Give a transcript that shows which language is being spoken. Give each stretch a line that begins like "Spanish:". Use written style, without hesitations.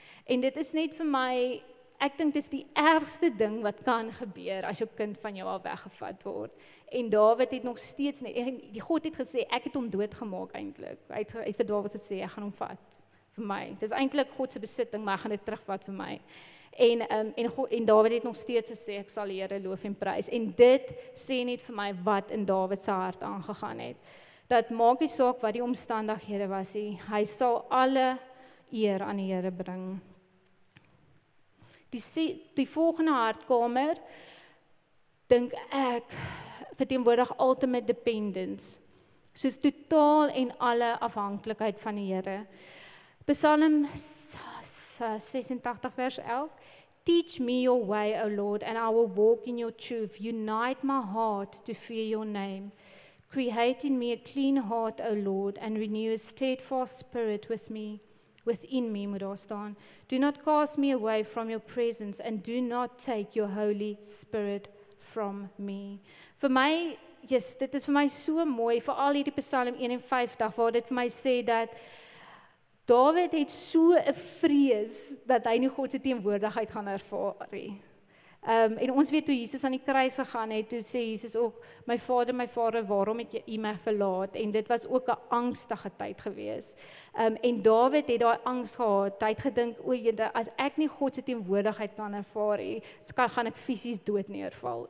Afrikaans: En dit is net vir my, ek dink dit is die ergste ding wat kan gebeur as jou kind van jou al weggevat word. En David het nog steeds, die God het gesê, ek het hom doodgemaak eintlik. Hy het vir David gesê, ek gaan hom vat vir my. Dit is eintlik God se besitting, maar hy gaan dit terugvat vir my. En David het nog steeds gesê, ek sal Here loof en prys. En dit sê net vir my wat in David se hart aangegaan het. Dat maak nie saak wat die omstandighede was, hy sal alle eer aan die Here bring. Die volgende hartkamer, dink ek, verteenwoordig
English: ultimate dependence,
Afrikaans: soos totaal en alle afhanklikheid van die Here.
English: Psalm 86 vers 11, Teach me your way, O Lord, and I will walk in your truth. Unite my heart to fear your name. Create in me a clean heart, O Lord, and renew a steadfast spirit with me. Within me
Afrikaans: moet daar staan.
English: Do not cast me away from your presence and do not take your Holy Spirit from me.
Afrikaans: Vir my, yes, dit is vir my so mooi, vir al hierdie Psalm 51, waar dit vir my sê dat David het so 'n vrees dat hy nie God se teenwoordigheid gaan ervaar nie. En ons weet, toe Jesus aan die kruis gegaan het, toe sê Jesus ook, my vader, waarom het jy my verlaat? En dit was ook 'n angstige tyd gewees. En David het daai angst gehad, hy het gedink, as ek nie God se teenwoordigheid kan ervaar, gaan ek fisies dood neerval.